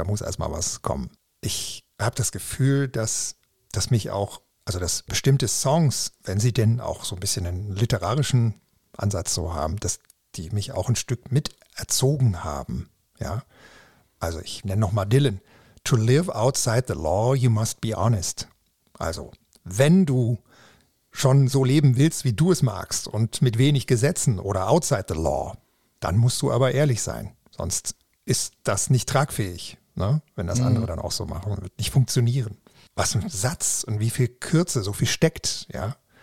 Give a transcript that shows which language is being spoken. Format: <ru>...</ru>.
<de>Da muss erstmal was kommen. Ich habe das Gefühl, dass mich auch, also dass bestimmte Songs, wenn sie denn auch so ein bisschen einen literarischen Ansatz so haben, dass die mich auch ein Stück mit erzogen haben. Ja, also ich nenne nochmal Dylan.</de> <en>To live outside the law, you must be honest.</en> <de>Also, wenn du schon so leben willst, wie du es magst und mit wenig Gesetzen oder</de> <en>outside the law,</en> <de>dann musst du aber ehrlich sein. Sonst ist das nicht tragfähig, ne? Wenn das andere dann auch so machen, wird nicht funktionieren. Was ein Satz und wie viel Kürze, so viel steckt, ja.</de>